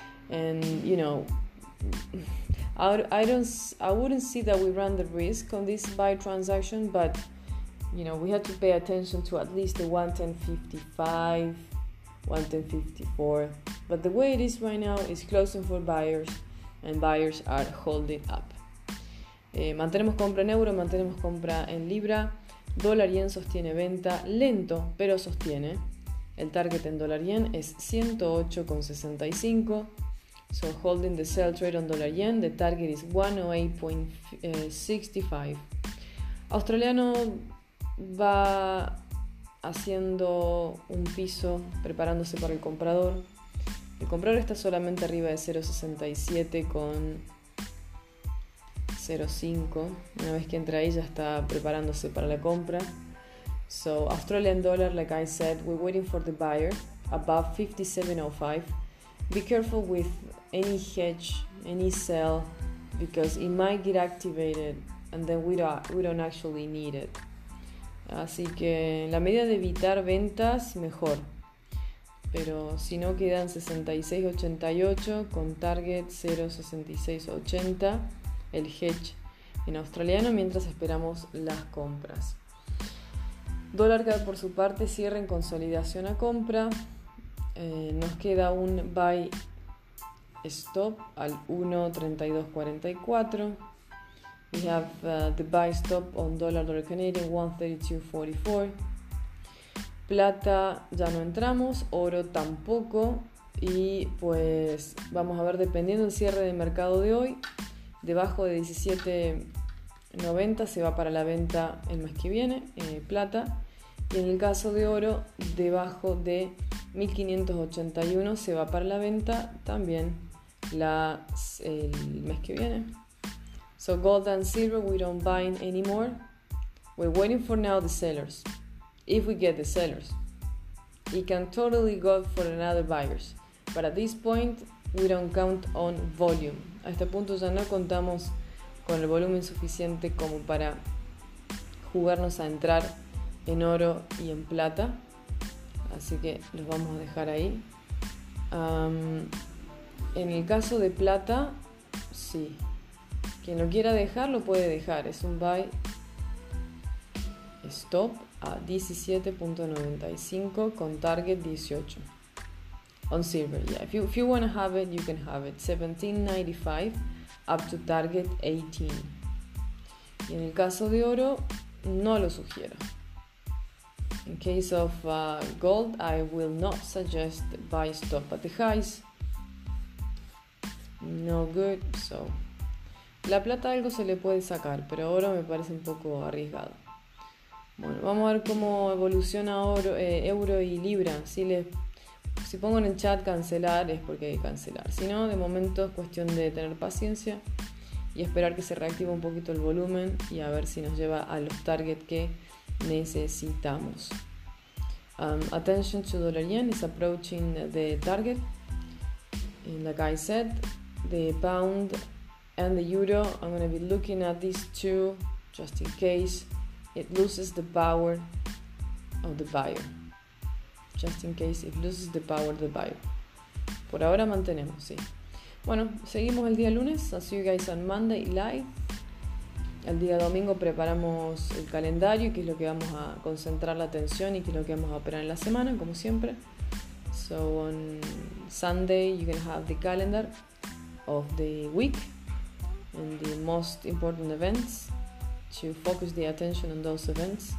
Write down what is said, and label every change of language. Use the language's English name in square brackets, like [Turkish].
[English] And you know, I wouldn't see that we run the risk on this buy transaction, but you know, we have to pay attention to at least the 1.1055, 1.1054. But the way it is right now is closing for buyers, and buyers are holding up. [Spanish] Mantenemos compra en euro, mantenemos compra en libra. Dólar yen sostiene venta, lento, pero sostiene. El target en dólar yen es 108.65. [English] So holding the sell trade on dólar yen, the target is 108.65. [Spanish] Australiano va haciendo un piso, preparándose para el comprador. El comprador está solamente arriba de 0.67.05. Una vez que entra ahí ya está preparándose para la compra. [English] So, Australian dollar, like I said, we're waiting for the buyer above 57.05. Be careful with any hedge, any sell, because it might get activated and then we don't actually need it. [Spanish] Así que en la medida de evitar ventas, mejor. Pero si no, quedan 66.88 con target 0.6680. El hedge en australiano mientras esperamos las compras. Dólar CAD por su parte cierra en consolidación a compra. Nos queda un buy stop al 1.3244. [English] We have the buy stop on dollar dollar Canadian 1.3244. [Spanish] Plata ya no entramos, oro tampoco. Y pues vamos a ver, dependiendo del cierre de mercado de hoy, debajo de 17.90 se va para la venta el mes que viene, plata. Y en el caso de oro, debajo de 1.581 se va para la venta también el mes que viene. [English] So gold and silver, we don't buy anymore. We're waiting for now the sellers. If we get the sellers, it can totally go for another buyers. But at this point, we don't count on volume. [Spanish] A este punto ya no contamos con el volumen suficiente como para jugarnos a entrar en oro y en plata. Así que los vamos a dejar ahí. En el caso de plata, sí. Quien lo quiera dejar, lo puede dejar. Es un buy stop a 17.95 con target 18. [English] On silver, yeah. If you want to have it, you can have it. 17.95 up to target 18. [Spanish] Y en el caso de oro, no lo sugiero. [English] In case of gold, I will not suggest buy stop at the highs. No good, so. [Spanish] La plata algo se le puede sacar, pero oro me parece un poco arriesgado. Bueno, vamos a ver cómo evoluciona oro, euro y libra. Si pongo en el chat cancelar, es porque hay que cancelar. Si no, de momento es cuestión de tener paciencia y esperar que se reactive un poquito el volumen y a ver si nos lleva a los targets que necesitamos. [English] Attention to dollar yen is approaching the target. And like I said, the pound and the euro, I'm going to be looking at these two just in case it loses the power of the buyer. Just in case it loses the power of the buyer. [Spanish] Por ahora mantenemos, sí. Bueno, seguimos el día lunes. [English] I'll see you guys on Monday live. [Spanish] El día domingo preparamos el calendario, que es lo que vamos a concentrar la atención y que es lo que vamos a operar en la semana, como siempre. [English] So on Sunday you can have the calendar of the week and the most important events to focus the attention on those events.